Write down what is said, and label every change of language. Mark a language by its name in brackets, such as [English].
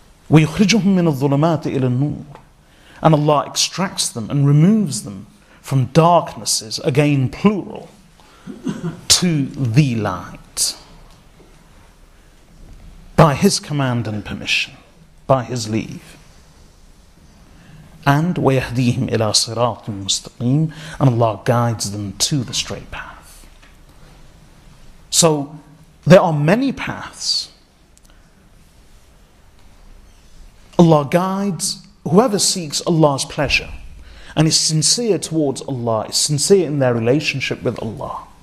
[Arabic] وَيُخْرِجُهُمْ مِنَ الظُّلُمَاتِ إِلَى النُّورِ. [English] And Allah extracts them and removes them from darknesses, again plural, to the light. By His command and permission, by His leave. [Arabic] And وَيَهْدِيهِمْ إِلَى صِرَاطٍ مُسْتَقِيمٍ. [English] And Allah guides them to the straight path. So there are many paths. Allah guides whoever seeks Allah's pleasure and is sincere towards Allah, is sincere in their relationship with Allah.